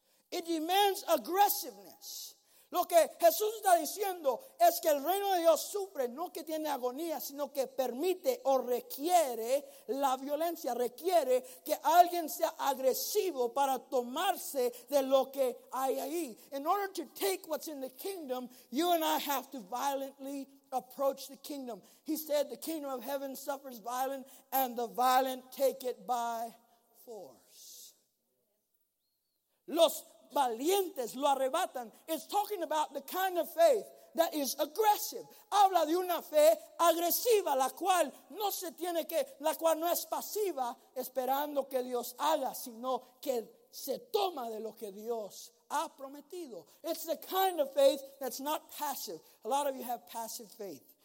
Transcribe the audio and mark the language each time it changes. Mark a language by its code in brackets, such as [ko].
[en] It demands aggressiveness. [es] Lo que Jesús está diciendo es que el reino de Dios sufre, no que tiene agonía, sino que permite o requiere la violencia, requiere que alguien sea agresivo para tomarse de lo que hay ahí. [en] In order to take what's in the kingdom, you and I have to violently approach the kingdom. He said, the kingdom of heaven suffers violence, and the violent take it by force. [es] Los valientes lo arrebatan. [en] It's talking about the kind of faith that is aggressive. [es] Habla de una fe agresiva, la cual no es pasiva, esperando que Dios haga, sino que se toma de lo que Dios ha prometido. [en] It's the kind of faith that's not passive. A lot of you have passive faith.